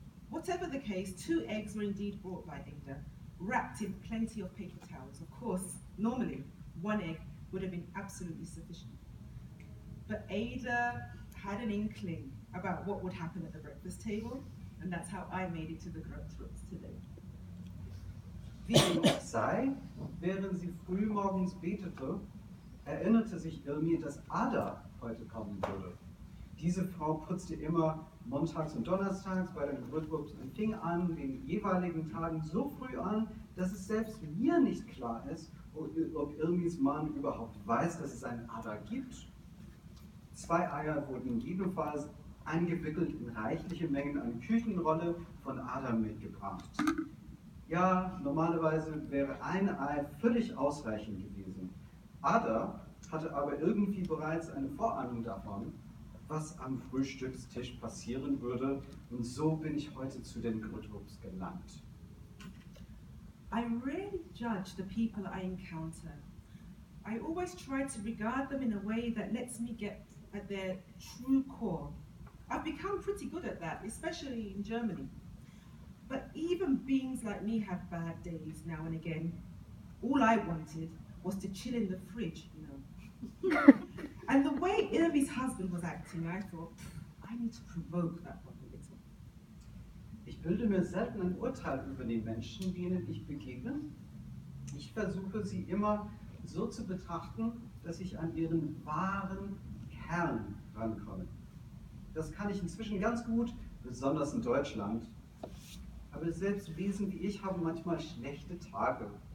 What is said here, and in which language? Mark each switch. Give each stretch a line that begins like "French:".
English: Whatever the case, two eggs were indeed brought by Ada, wrapped in plenty of paper towels. Of course, normally, one egg would have been absolutely sufficient. But Ada had an inkling about what would happen at the breakfast table, and that's how I made it to the Grotrups today.
German: Wie es auch sei, während sie frühmorgens betete, erinnerte sich Irmi, dass Ada heute kommen würde. Diese Frau putzte immer montags und donnerstags bei den Grotrups und fing an, den jeweiligen Tagen so früh an, dass es selbst mir nicht klar ist, ob Irmis Mann überhaupt weiß, dass es einen Ada gibt. Zwei Eier wurden jedenfalls eingewickelt in reichliche Mengen an Küchenrolle von Adam mitgebracht. Ja, normalerweise wäre ein Ei völlig ausreichend gewesen. Ada hatte aber irgendwie bereits eine Vorahnung davon, was am Frühstückstisch passieren würde, und so bin ich heute zu den Grotrups gelangt.
English: I rarely judge the people I encounter. I always try to regard them in a way that lets me get at their true core. I've become pretty good at that, especially in Germany. But even beings like me have bad days now and again. All I wanted was to chill in the fridge, you know. And the way Irmi's husband was acting, I thought, I need to provoke that one a little.
German: Ich bilde mir selten ein Urteil über die Menschen, denen ich begegne. Ich versuche sie immer so zu betrachten, dass ich an ihren wahren Herrn rankommen. Das kann ich inzwischen ganz gut, besonders in Deutschland. Aber selbst Wesen wie ich haben manchmal schlechte Tage.